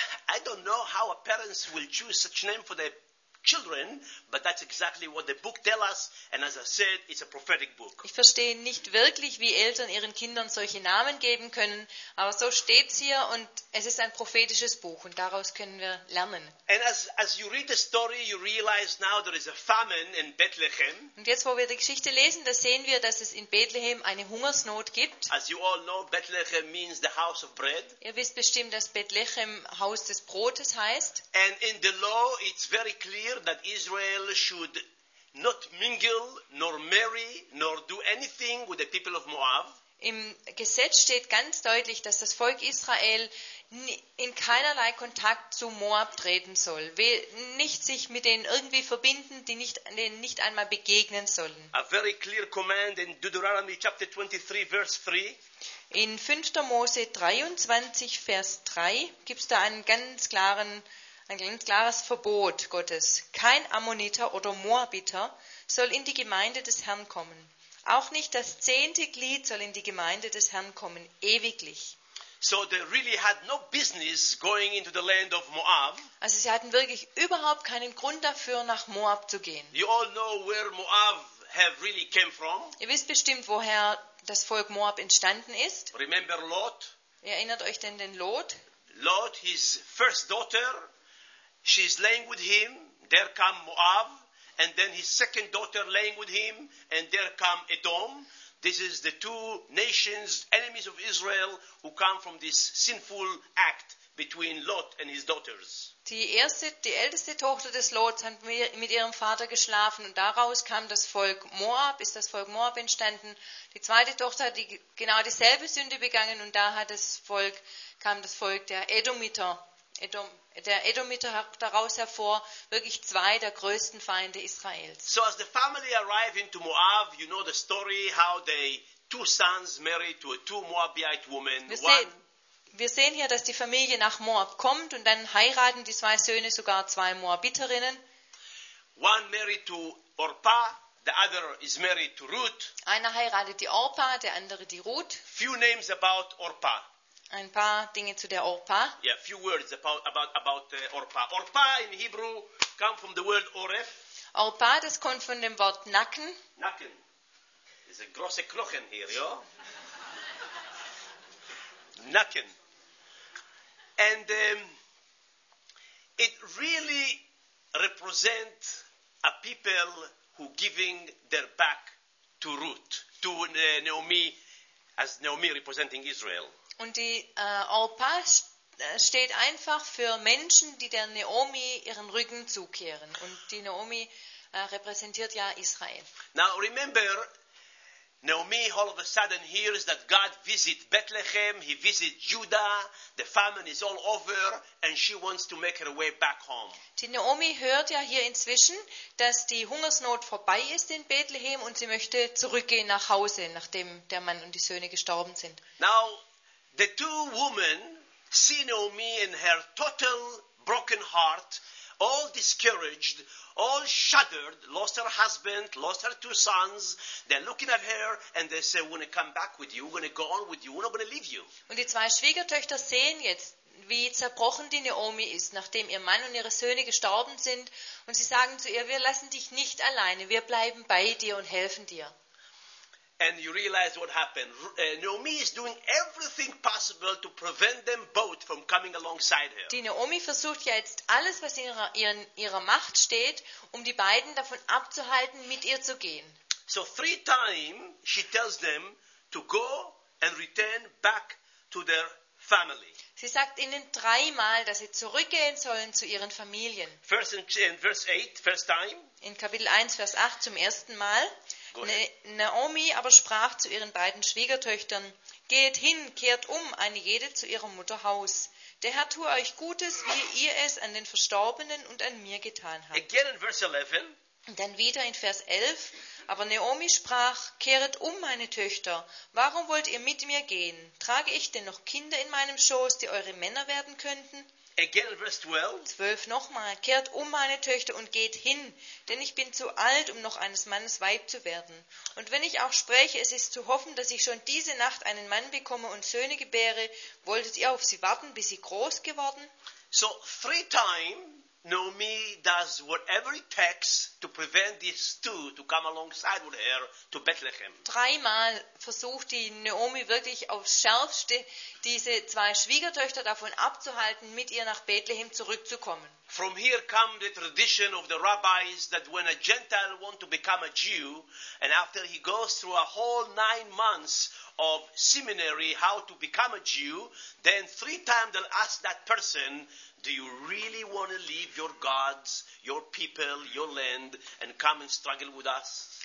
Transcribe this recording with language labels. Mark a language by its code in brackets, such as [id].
[en] I don't know how our parents will choose such name for their children, but that's exactly what the book tells us, and as I said, it's a prophetic book. [de] Ich verstehe nicht wirklich, wie Eltern ihren Kindern solche Namen geben können, aber so steht's hier, und es ist ein prophetisches Buch, und daraus können wir lernen. [en] And as you read the story, you realize now there is a famine in Bethlehem. [de] Und jetzt, wo wir die Geschichte lesen, da sehen wir, dass es in Bethlehem eine Hungersnot gibt. [en] As you all know, Bethlehem means the house of bread. [de] Ihr wisst bestimmt, dass Bethlehem Haus des Brotes heißt. [en] And in the law, it's very clear that Israel should not mingle, nor marry, nor do anything with the people of Moab. [de] Im Gesetz steht ganz deutlich, dass das Volk Israel in keinerlei Kontakt zu Moab treten soll, nicht sich mit denen irgendwie verbinden, denen nicht einmal begegnen sollen. [en] A very clear command in Deuteronomy chapter 23, verse 3. [de] In 5. Mose 23, Vers 3 gibt es da ein ganz klares Verbot Gottes. Kein Ammoniter oder Moabiter soll in die Gemeinde des Herrn kommen. Auch nicht das zehnte Glied soll in die Gemeinde des Herrn kommen, ewiglich. [en] So they really had no business going into the land of Moab. [de] Also sie hatten wirklich überhaupt keinen Grund dafür, nach Moab zu gehen. [en] You all know where Moab have really came from. [de] Ihr wisst bestimmt, woher das Volk Moab entstanden ist. [en] Remember Lot? [de] Erinnert euch denn den Lot? [en] Lot, his first daughter, she's laying with him, there come Moab, and then his second daughter laying with him, and there come Edom. This is the two nations, enemies of Israel, who come from this sinful act between Lot and his daughters. [de] Die älteste Tochter des Lots hat mit ihrem Vater geschlafen, und daraus kam das Volk Moab, ist das Volk Moab entstanden. Die zweite Tochter hat genau dieselbe Sünde begangen, und da kam das Volk der Edomiter. Der Edomiter daraus hervor, wirklich zwei der größten Feinde Israels. [en] So as the family arrive into Moab, you know the story how they two sons married to a two Moabite woman. [de] Wir sehen hier, dass die Familie nach Moab kommt, und dann heiraten die zwei Söhne sogar zwei Moabiterinnen. [en] One married to Orpah, the other is married to Ruth. [de] Einer heiratet die Orpah, der andere die Ruth. [en] Few names about Orpah. [de] Ein paar Dinge zu der Orpah. [en] Yeah, few words about Orpah. Orpah in Hebrew come from the word oref. [de] Orpah, das kommt von dem Wort Nacken. Nacken. Das sind große Knochen hier, ja? Nacken. [en] And it really represents a people who giving their back to Ruth, to Naomi, as Naomi representing Israel. [de] Und die Orpah steht einfach für Menschen, die der Naomi ihren Rücken zukehren. Und die Naomi repräsentiert ja Israel. [en] Now remember, Naomi all of a sudden hears that God visit Bethlehem, he visit Judah, the famine is all over and she wants to make her way back home. [de] Die Naomi hört ja hier inzwischen, dass die Hungersnot vorbei ist in Bethlehem und sie möchte zurückgehen nach Hause, nachdem der Mann und die Söhne gestorben sind. [en] Now the two women see Naomi in her total broken heart, all discouraged, all shattered, lost her husband, lost her two sons. They're looking at her and they say, we're going to come back with you. We're going to go on with you. We're not going to leave you. [de] Und die zwei Schwiegertöchter sehen jetzt, wie zerbrochen die Naomi ist, nachdem ihr Mann und ihre Söhne gestorben sind. Und sie sagen zu ihr, wir lassen dich nicht alleine. Wir bleiben bei dir und helfen dir. [en] And you realize what happened. Naomi is doing everything possible to prevent them both from coming alongside her. [de] Die Naomi versucht jetzt alles, was in ihrer Macht steht, um die beiden davon abzuhalten, mit ihr zu gehen. [en] So three times she tells them to go and return back to their family. [de] Sie sagt ihnen dreimal, dass sie zurückgehen sollen zu ihren Familien. [en] First in verse 8, first time. [de] In Kapitel 1, Vers 8 zum ersten Mal. Naomi aber sprach zu ihren beiden Schwiegertöchtern, geht hin, kehrt um, eine jede zu ihrer Mutter Haus. Der Herr tue euch Gutes, wie ihr es an den Verstorbenen und an mir getan habt. [en] Again in verse 11. [de] Dann wieder in Vers 11. Aber Naomi sprach, kehret um, meine Töchter, warum wollt ihr mit mir gehen? Trage ich denn noch Kinder in meinem Schoß, die eure Männer werden könnten? [en] Again in verse 12. [de] 12 nochmal. Kehrt um, meine Töchter, und geht hin, denn ich bin zu alt, um noch eines Mannes Weib zu werden. Und wenn ich auch spreche, es ist zu hoffen, dass ich schon diese Nacht einen Mann bekomme und Söhne gebäre, wolltet ihr auf sie warten, bis sie groß geworden? [en] So, three times, Naomi does whatever it takes to prevent these two to come alongside with her to Bethlehem. [de] Dreimal versucht die Naomi wirklich aufs Schärfste, diese zwei Schwiegertöchter davon abzuhalten, mit ihr nach Bethlehem zurückzukommen. [en] From here comes the tradition of the rabbis that when a Gentile wants to become a Jew, and after he goes through a whole 9 months of seminary how to become a Jew, then three times they'll ask that person, do you really want to leave your gods, your people, your land and come and struggle with us?